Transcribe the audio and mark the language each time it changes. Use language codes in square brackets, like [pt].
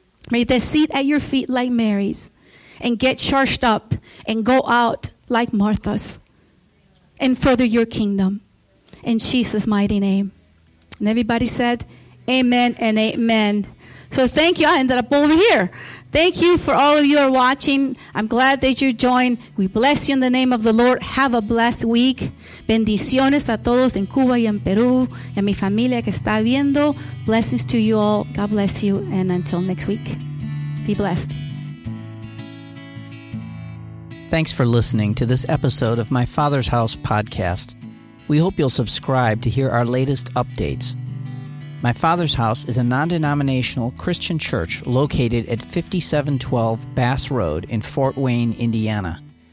[en] May they sit at your feet like Mary's and get charged up and go out like Martha's and further your kingdom in Jesus' mighty name. And everybody said, amen and amen. So thank you. I ended up over here. Thank you for all of you who are watching. I'm glad that you joined. We bless you in the name of the Lord. Have a blessed week. [es] Bendiciones a todos en Cuba y en Perú. Y a mi familia que está viendo. [en] Blessings to you all. God bless you. And until next week, be blessed. Thanks for listening to this episode of My Father's House podcast. We hope you'll subscribe to hear our latest updates. My Father's House is a non-denominational Christian church located at 5712 Bass Road in Fort Wayne, Indiana.